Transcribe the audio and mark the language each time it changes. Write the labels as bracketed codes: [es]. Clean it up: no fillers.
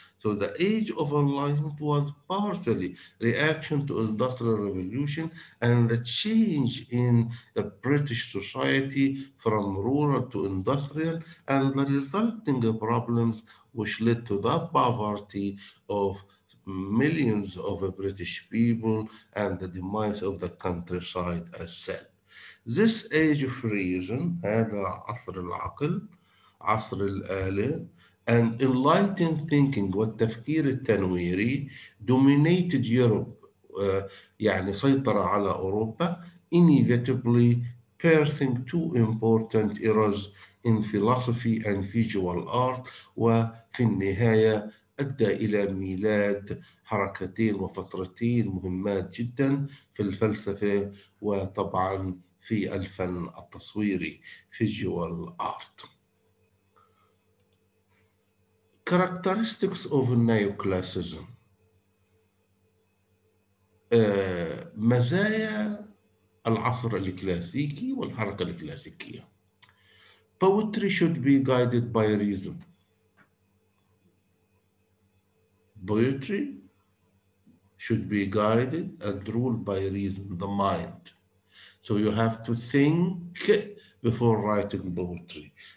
[en] So the Age of Enlightenment was partially reaction to Industrial Revolution and the change in the British society from rural to industrial and the resulting problems which led to the poverty of millions of British people and the demise of the countryside as said. This Age of Reason, [ar] هذا عصر العقل, عصر الآلة, [en] and enlightened thinking, [ar] والتفكير التنويري, [en] dominated Europe, [ar] يعني سيطر على أوروبا, [en] inevitably piercing two important eras in philosophy and visual art, [ar] وفي النهاية أدى إلى ميلاد حركتين وفترتين مهمات جدا في الفلسفة وطبعا في الفن التصويري, [en] visual art. Characteristics of Neoclassicism. [ar] مزايا العصر الكلاسيكي والحركة الكلاسيكية. [en] Poetry should be guided by reason. Poetry should be guided and ruled by reason, the mind. So you have to think before writing poetry.